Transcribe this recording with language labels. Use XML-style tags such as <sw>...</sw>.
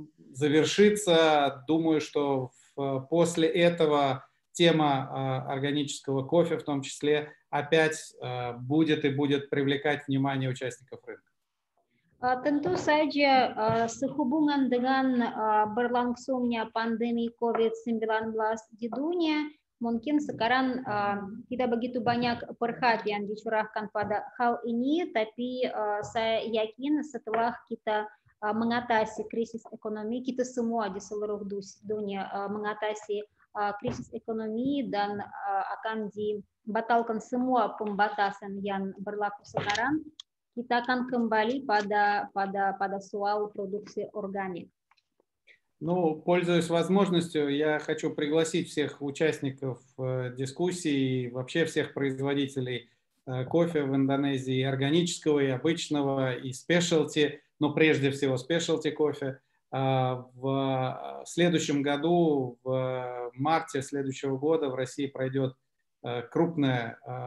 <ru>завершится. Думаю, что после этого тема органического кофе в том числе опять будет и будет привлекать внимание участников рынка.</ru> <id>Tentu saja sehubungan dengan berlangsungnya pandemi COVID-19 di dunia, mungkin sekarang tidak begitu banyak perhatian dicurahkan pada hal ini, tapi saya yakin setelah kita mengatasi krisis ekonomi, kita semua di seluruh dunia mengatasi krisis ekonomi dan akan dibatalkan semua pembatasan yang berlaku sekarang, kita akan kembali pada soal produksi organik.</id> <ru>Ну, пользуясь возможностью, я хочу пригласить всех участников дискуссии и вообще всех производителей кофе в Индонезии, и органического, и обычного, и спешлти, но прежде всего спешлти кофе, в следующем году, в марте следующего года в России пройдет крупная</ru>